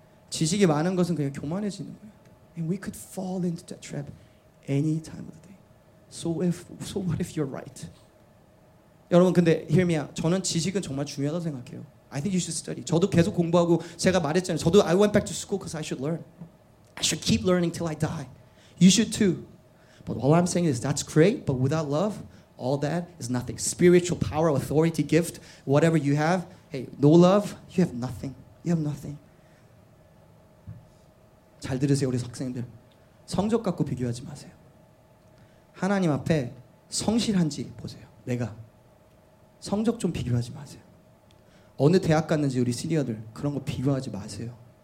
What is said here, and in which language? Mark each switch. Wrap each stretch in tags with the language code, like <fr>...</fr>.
<ko>지식이 많은 것은 그냥 교만해지는 거예요.</ko> <en>And we could fall into that trap any time of the day. So what if you're right?</en> <ko>여러분 근데</ko> <en>hear me out.</en> <ko>저는 지식은 정말 중요하다고 생각해요.</ko> <en>I think you should study.</en> <ko>저도 계속 공부하고 제가 말했잖아요.</ko> <en>저도 I went back to school because I should learn. I should keep learning till I die. You should too. But all I'm saying is that's great, but without love, all that is nothing. Spiritual power, authority, gift, whatever you have, hey, no love, you have nothing. You have nothing.</en> <ko>잘 들으세요, 우리 학생들. 성적 갖고 비교하지 마세요. 하나님 앞에 성실한지 보세요. 내가. 성적 좀 비교하지 마세요. 어느 대학 갔는지 우리 시니어들 그런 거 비교하지 마세요.</ko>